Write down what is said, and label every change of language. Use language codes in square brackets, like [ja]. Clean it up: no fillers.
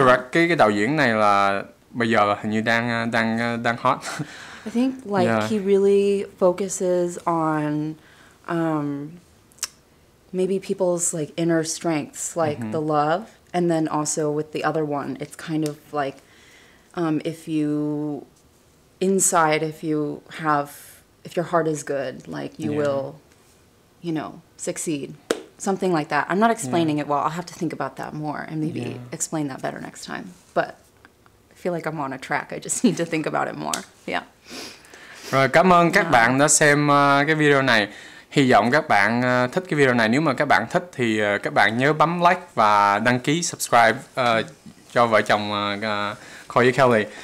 [en] direct [vi] cái đạo diễn này là bây giờ là hình như đang hot. [en] I think like yeah. he really focuses on maybe people's like inner strengths, like mm-hmm. the love, and then also with the other one, it's kind of like if your heart is good, like you yeah. will, you know, succeed. Something like that. I'm not explaining yeah. it well. I'll have to think about that more and maybe yeah. explain that better next time. But feel like I'm on a track. I just need to think about it more. Yeah. [vi] Rồi, cảm ơn các bạn đã xem cái video này. Hy vọng các bạn thích cái video này. Nếu mà các bạn thích thì các bạn nhớ bấm like và đăng ký subscribe cho vợ chồng Khôi với Kelly.